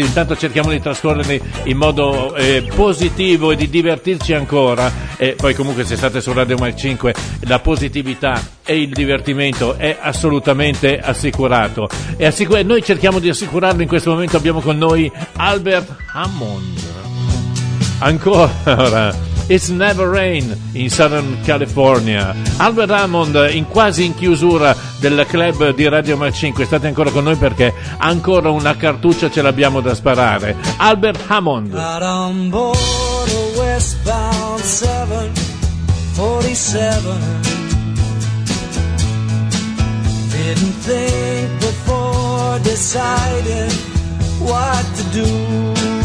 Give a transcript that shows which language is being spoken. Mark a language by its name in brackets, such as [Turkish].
[Italian] Intanto cerchiamo di trascorrerli in modo positivo e di divertirci ancora. E poi comunque, se state su Radio Mach 5, la positività e il divertimento è assolutamente assicurato. E noi cerchiamo di assicurarlo. In questo momento abbiamo con noi Albert Hammond. Ancora. [English] It's Never Rain in Southern California. [Italian] Albert Hammond in quasi in chiusura del club di Radio Mach 5. State ancora con noi, perché ancora una cartuccia ce l'abbiamo da sparare. Albert Hammond. [English] Got on board a westbound 747. Didn't think before deciding what to do.